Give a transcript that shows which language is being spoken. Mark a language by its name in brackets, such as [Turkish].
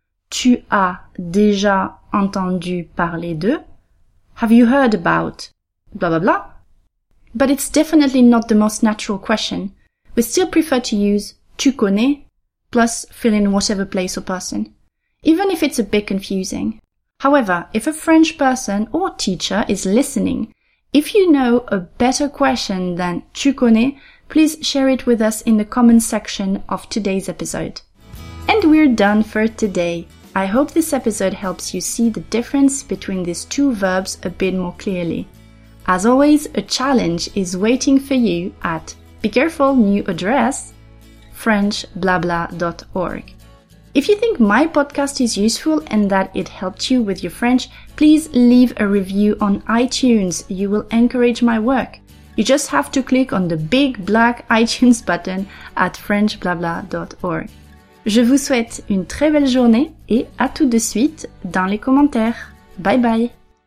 [French] Tu as déjà entendu parler de. [English] Have you heard about blah blah blah? But it's definitely not the most natural question. We still prefer to use [French] tu connais [English] plus fill in whatever place or person, even if it's a bit confusing. However, if a French person or teacher is listening, if you know a better question than [French] tu connais, [English] please share it with us in the comments section of today's episode. And we're done for today. I hope this episode helps you see the difference between these two verbs a bit more clearly. As always, a challenge is waiting for you at be careful new address frenchblabla.org. If you think my podcast is useful and that it helped you with your French, please leave a review on iTunes. You will encourage my work. You just have to click on the big black iTunes button at frenchblabla.org. [French] Je vous souhaite une très belle journée et à tout de suite dans les commentaires. Bye bye!